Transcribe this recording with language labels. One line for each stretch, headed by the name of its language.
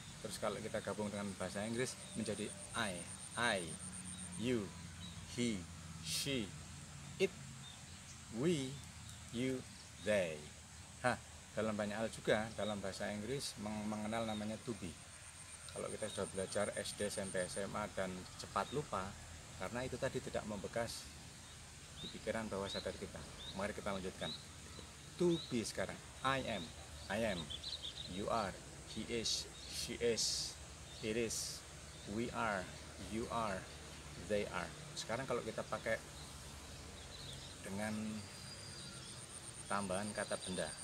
Indonesian: Terus kalau kita gabung dengan bahasa Inggris menjadi
English: I, you, he, she, it, we, you, they.
Indonesian: Hah, dalam banyak hal juga dalam bahasa Inggris mengenal namanya to be. Kalau kita sudah belajar SD, SMP, SMA dan cepat lupa, karena itu tadi tidak membekas di pikiran bawah sadar kita. Mari kita lanjutkan. To be sekarang.
English: I am, you are, he is, she is, it is, we are, you are, they are.
Indonesian: Sekarang kalau kita pakai dengan tambahan kata benda.